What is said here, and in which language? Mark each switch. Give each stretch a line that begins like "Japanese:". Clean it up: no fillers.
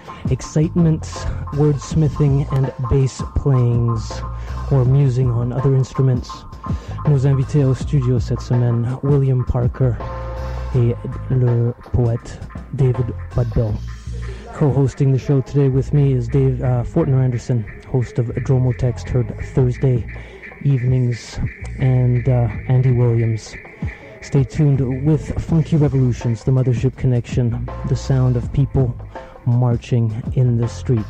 English: Excitement, wordsmithing, and bass playings, or musing on other instruments.
French: Nos invités au studio cette semaine, William Parker et le poète David Budbill.
English: Co-hosting the show today with me is Dave Fortner Anderson, host of Dromo Text, heard Thursday evenings, and Andy Williams. Stay tuned with Funky Revolutions, the Mothership Connection, the sound of people marching in the street.